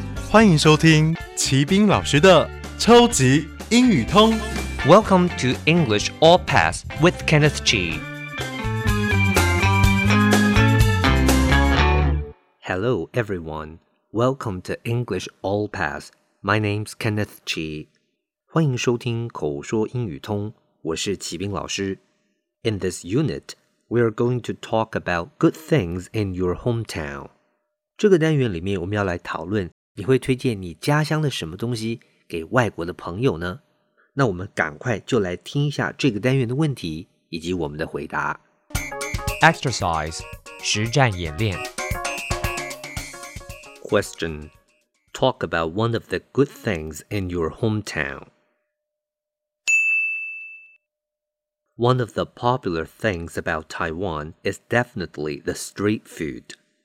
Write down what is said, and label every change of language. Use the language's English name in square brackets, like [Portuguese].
[Chinese] 欢迎收听齐宾老师的超级英语通。 [English] Welcome to English All Pass with Kenneth G. Hello, everyone. Welcome to English All Pass. My name's Kenneth G. [Chinese] 欢迎收听口说英语通。我是齐宾老师。 [English] In this unit, we are going to talk about good things in your hometown. [Chinese] 这个单元里面我们要来讨论你会推荐你家乡的什么东西给外国的朋友呢？那我们赶快就来听一下这个单元的问题以及我们的回答。 Exercise, 实战演练。 [English] Question, talk about one of the good things in your hometown. One of the popular things about Taiwan is definitely the street food.